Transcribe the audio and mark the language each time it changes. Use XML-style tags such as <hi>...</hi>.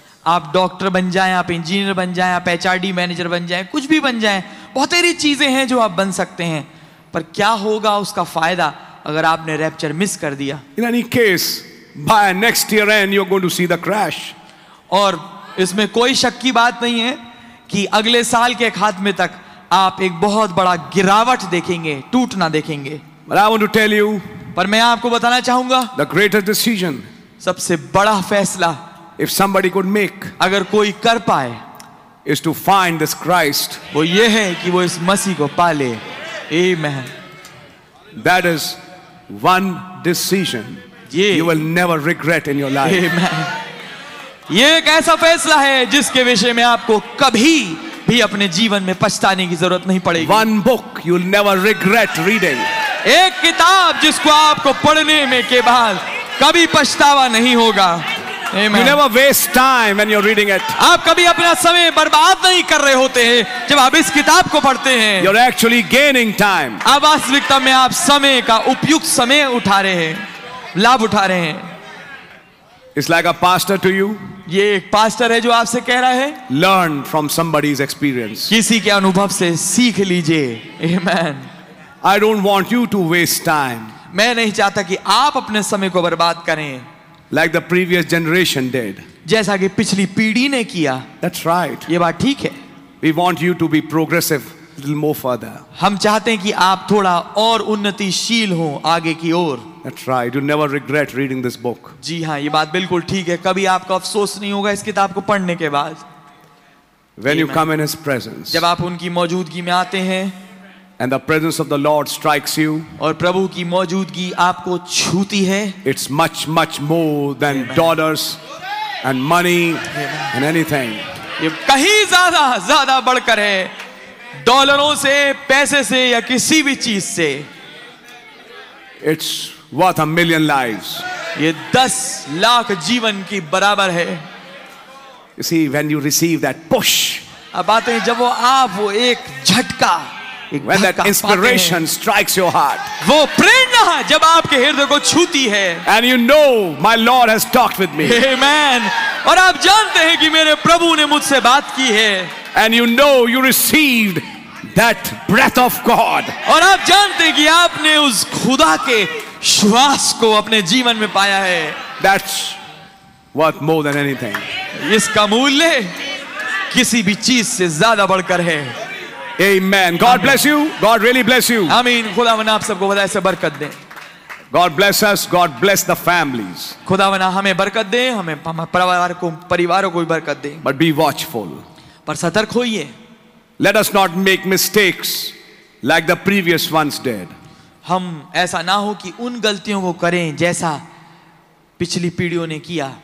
<hi>आप डॉक्टर बन जाएं, आप इंजीनियर बन जाएं, आप एचआरडी मैनेजर बन जाएं, कुछ भी बन जाएं, बहुत सारी चीजें हैं जो आप बन सकते हैं, पर क्या होगा उसका फायदा अगर आपने रैप्चर मिस कर दिया.</hi> <en>In any case, by next year end, you're going to see the crash.</en> <hi>और इसमें कोई शक की बात नहीं है कि अगले साल के खात्मे तक आप एक बहुत बड़ा गिरावट देखेंगे, टूटना देखेंगे.</hi> <en>But I want to tell you,</en> <hi>पर मैं आपको बताना चाहूंगा,</hi> <en>the greater decision,</en> <hi>सबसे बड़ा फैसला,</hi> <en>if somebody could make,</en> <hi>अगर कोई कर पाए,</hi> <en>is to find this Christ,</en> <hi>वो ये है कि वो इस मसीह को पाले.</hi> <en>Amen. That is one decision you will never regret in your life. Amen.</en> <hi>ये एक ऐसा फैसला है जिसके विषय में आपको कभी भी अपने जीवन में पछताने की जरूरत नहीं पड़ेगी.</hi> <en>One book you'll never regret reading.</en> <hi>एक किताब जिसको आपको पढ़ने में के बाद कभी पछतावा नहीं होगा.</hi> <en>Amen. You never waste time when you're reading it.</en> <hi>आप कभी अपना समय बर्बाद नहीं कर रहे होते हैं जब आप इस किताब को पढ़ते हैं.</hi> <en>You're actually gaining time.</en> <hi>आप वास्तविकता में आप समय का उपयुक्त समय उठा रहे हैं, लाभ उठा रहे हैं.</hi> <en>It's like a pastor to you.</en> <hi>ये एक पास्टर है जो आपसे कह रहा है.</hi> <en>Learn from somebody's experience.</en> <hi>किसी के अनुभव से सीख लीजिए.</hi> <en>Amen. I don't want you to waste time.</en> <hi>मैं नहीं चाहता कि आप अपने समय को बर्बाद करें.</hi> <en>Like the previous generation did.</en> <hi>जैसा कि पिछली पीढ़ी ने किया.</hi> <en>That's right.</en> <hi>ये बात ठीक है.</hi> <en>We want you to be progressive a little more further.</en> <hi>हम चाहते हैं कि आप थोड़ा और उन्नतिशील हो आगे की ओर.</hi> <en>That's right. You never regret reading this book.</en> <hi>जी हाँ, ये बात बिल्कुल ठीक है. कभी आपको अफसोस नहीं होगा इस किताब को पढ़ने के बाद.</hi> <en>When you come in His presence.</en> <hi>जब आप उनकी मौजूदगी में आते हैं.</hi> <en>And the presence of the Lord strikes you.</en> <hi>और प्रभु की मौजूदगी आपको छूती है.</hi> <en>It's much, much more than dollars and money and anything.</en> <hi>ये कहीं ज़्यादा, ज़्यादा बढ़कर है डॉलरों से, पैसे से या किसी भी चीज़ से.</hi> <en>It's worth a million lives.</en> <hi>ये 10 लाख जीवन की बराबर है.</hi> <en>You see, when you receive that push.</en> <hi>अब आते हैं जब वो आप वो एक झटका.</hi> <en>When that inspiration strikes your heart,</en> <hi>वो प्रेरणा जब आपके हृदय को छूती है,</hi> <en>and you know my Lord has talked with me, Amen.</en> <hi>और आप जानते हैं कि मेरे प्रभु ने मुझसे बात की है,</hi> <en>and you know you received that breath of God,</en> <hi>और आप जानते हैं कि आपने उस खुदा के श्वास को अपने जीवन में पाया है.</hi> <en>That's worth more than anything.</en> <hi>इसका मूल्य किसी भी चीज से ज्यादा बढ़कर है.</hi> <en>Amen. God Amen. Bless you. God really bless you. Amen.</en> <hi>खुदावन आप सबको बधाई से बरकत दे.</hi> <en>God bless us. God bless the families.</en> <hi>खुदावन हमें बरकत दे, हमें परिवार को, परिवारों को भी बरकत दे.</hi> <en>But be watchful.</en> <hi>पर सतर्क होइए.</hi> <en>Let us not make mistakes like the previous ones did.</en> <hi>हम ऐसा ना हो कि उन गलतियों को करें जैसा पिछली पीढ़ियों ने किया.</hi>